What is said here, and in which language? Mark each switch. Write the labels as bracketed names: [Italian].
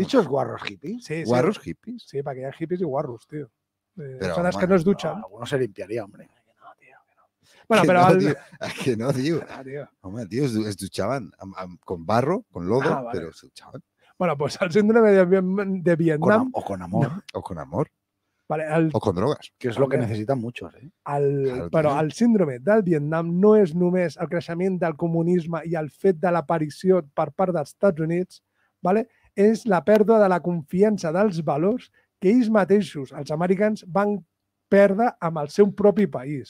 [Catalan] Has dit els guarros hippies? Sí, sí. Guarros hippies? Sí, perquè hi ha hippies i guarros, tio. Són els que no es dutxen. [Spanish] Alguno se limpiaria, hombre. Bueno, que [Catalan] però... No, el... tio, que no, tio. Ah, tio. Home, tio, es dutxaven amb, [Spanish] con barro, con lodo, [Catalan] ah, vale. Però es dutxaven. [Spanish] Bueno, pues el síndrome de Vietnam... Con, o con amor. No. O con amor. [Catalan] Vale, el... O con drogues. Que és el que necessiten muchos, eh? El... Però el síndrome del Vietnam no és només el creixement del comunisme i el fet de l'aparició per part dels Estats Units, vale? És la pèrdua de la confiança dels valors que ells mateixos, els americans, van perdre amb el seu propi país.